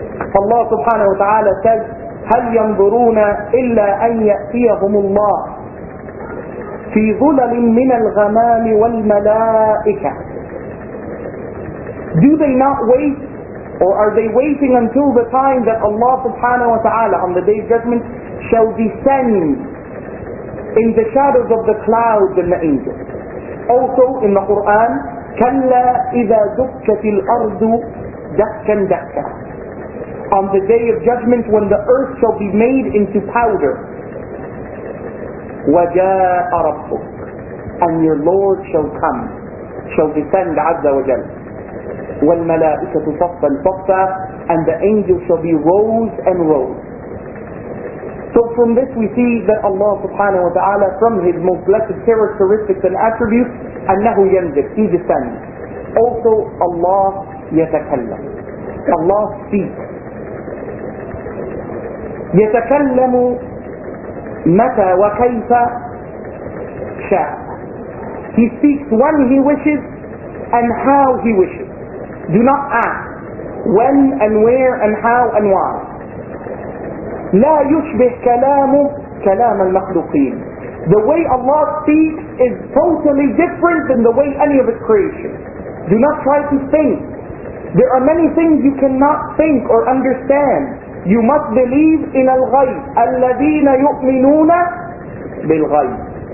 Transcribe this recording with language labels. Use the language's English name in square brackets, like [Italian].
[English] Allah subhanahu wa ta'ala says, [Arabic] هَلْ يَنْظُرُونَ إِلَّا أَنْ يَأْتِيَهُمُ اللَّهِ فِي ظُلَلٍ مِّنَ الْغَمَامِ وَالْمَلَائِكَةِ. [English] Do they not wait, or are they waiting until the time that Allah subhanahu wa ta'ala on the Day of Judgment shall descend in the shadows of the clouds and the angels? Also in the Quran, [Arabic] كَلَّا إِذَا دُكَّتِ الْأَرْضُ دَكَّا دَكَّا. [English] On the Day of Judgment when the earth shall be made into powder, [Arabic] وَجَاءَ رَبُّكَ. [English] And your Lord shall come, shall descend [Arabic] عَزَّ وَجَلَّ. والملائكة صفا صفا, [English] and the angels shall be rows and rows. So from this we see that Allah subhanahu wa ta'ala, from His most blessed characteristics and attributes, [Arabic] أَنَّهُ ينزل, [English] He descends. Also Allah يتكلم, Allah speaks. [Arabic] يتكلم متى وكيف شاء. [English] He speaks when He wishes and how He wishes. Do not ask when and where and how and why. [Arabic] لا يشبه كلامه كلام المخلوقين. [English] The way Allah speaks is totally different than the way any of His creation. Do not try to think. There are many things you cannot think or understand. You must believe in الغيب. [Arabic] الذين يؤمنون بالغيب.